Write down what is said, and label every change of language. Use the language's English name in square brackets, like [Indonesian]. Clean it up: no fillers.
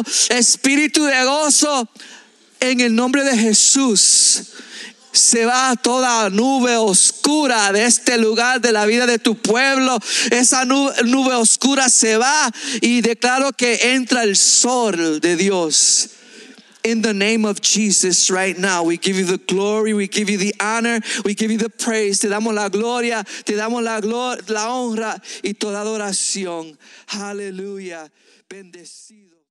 [Spanish] Espíritu de gozo en el nombre de Jesús. Se va toda nube oscura de este lugar, de la vida de tu pueblo. Esa nube oscura se va y declaro que entra el sol de Dios. [English] In the name of Jesus right now, we give you the glory, we give you the honor, we give you the praise. [Spanish] Te damos la gloria, te damos la honra y toda adoración. Hallelujah. Bendecido.